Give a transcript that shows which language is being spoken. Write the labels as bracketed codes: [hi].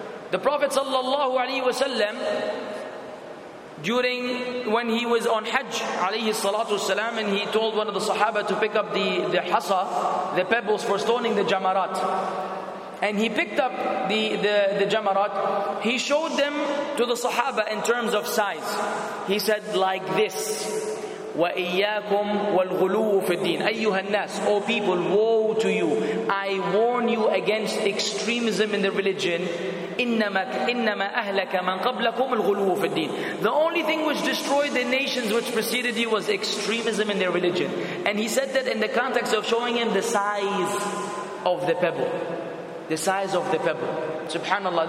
[en] The Prophet sallallahu alaihi wasallam, during when he was on Hajj alayhi salatu wasalam, and he told one of the Sahaba to pick up the hasa, the pebbles for stoning the jamarat. And he picked up the jamarat, he showed them to the Sahaba in terms of size. He said like this, [ar] وَإِيَّاكُمْ وَالْغُلُوُ فِي الدِّينِ أَيُّهَا النَّاسِ. [en] O people, woe to you. I warn you against extremism in the religion. [ar] إِنَّمَا أَهْلَكَ مَنْ قَبْلَكُمْ الْغُلُوُ فِي الدِّينِ. [en] The only thing which destroyed the nations which preceded you was extremism in their religion. And he said that in the context of showing him the size of the pebble. The size of the pebble. SubhanAllah.